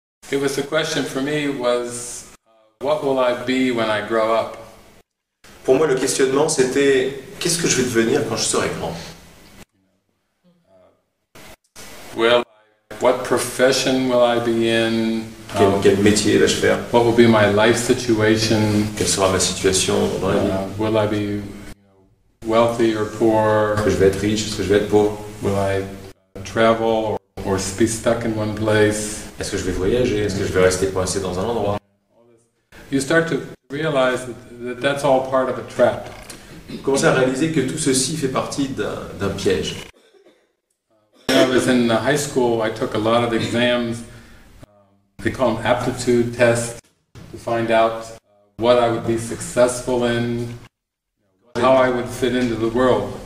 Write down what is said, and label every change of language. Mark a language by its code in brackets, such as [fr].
[en] It was the question for me was, what will I be when I grow up? [fr] Pour moi, le questionnement, c'était, qu'est-ce que je vais devenir quand je serai grand? [en] What profession will I be in? [fr] Quel métier vais-je faire? [en] What will be my life situation? [fr] Quelle sera ma situation dans la vie? [en] Will I be wealthy or poor? [fr] Est-ce que je vais être riche? Est-ce que je vais être pauvre? [en] Will I travel or be stuck in one place? [fr] Est-ce que je vais voyager? Est-ce que je vais rester coincé dans un endroit? [en] You start to realize that that's all part of a trap. [fr] Vous commencez à réaliser que tout ceci fait partie d'un piège. [en] When I was in high school, I took a lot of exams. They call them aptitude tests to find out what I would be successful in, how I would fit into the world.